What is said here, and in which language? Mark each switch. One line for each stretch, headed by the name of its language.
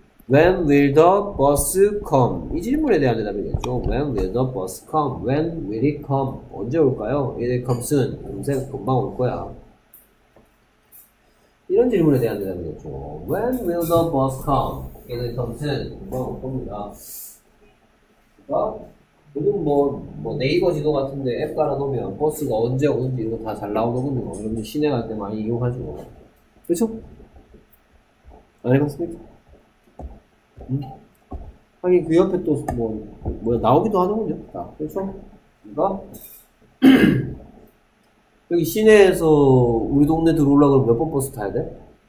English: When will the bus come?
Korean: 이 질문에 대한 대답이겠죠.
English: When will the bus come? When will it come?
Korean: 언제 올까요?
English: It will come soon.
Korean: 금세 금방 올 거야. 이런 질문에 대한 대답이겠죠.
English: When will the bus come? It will come soon.
Korean: 금방 올 겁니다. 그러니까 요즘 뭐 네이버 지도 같은데 앱 깔아놓으면 버스가 언제 오는지 이런 거 다 잘 나오거든요. 여러분 시내 갈 때 많이 이용하죠. 그렇죠? 안 해봤습니까? 하긴 그 옆에 또 뭐야 나오기도 하는군요. 자, 그래서 이거 여기 시내에서 우리 동네 들어올라 그러면 몇 번 버스 타야 돼?